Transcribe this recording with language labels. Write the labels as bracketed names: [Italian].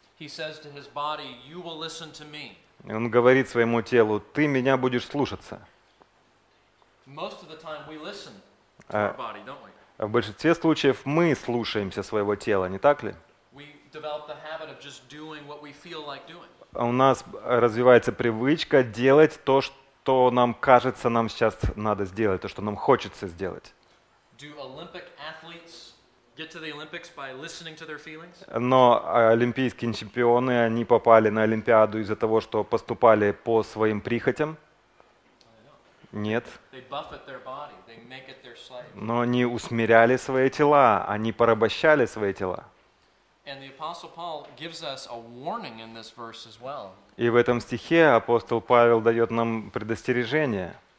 [English] He says to his body, you will listen to me. [Russian] Он говорит своему телу, ты меня будешь слушаться. [English] Most of the time we listen to our body, don't we? [Russian] В большинстве случаев мы слушаемся своего тела, не так ли? [English] We develop the habit of just doing what we feel like doing. [Russian] У нас развивается привычка делать то, что нам кажется, нам сейчас надо сделать, то, что нам хочется сделать. [English] Do Olympic athletes get to the Olympics by listening to their feelings? [Russian] Но олимпийские чемпионы, они попали на Олимпиаду из-за того, что поступали по своим прихотям? Нет. [English] They buffet their body. They make it their slave. [Russian] Но они усмиряли свои тела, они порабощали свои тела. [English] And the Apostle Paul gives us a warning in this verse as well. [Russian] И в этом стихе апостол Павел дает нам предостережение.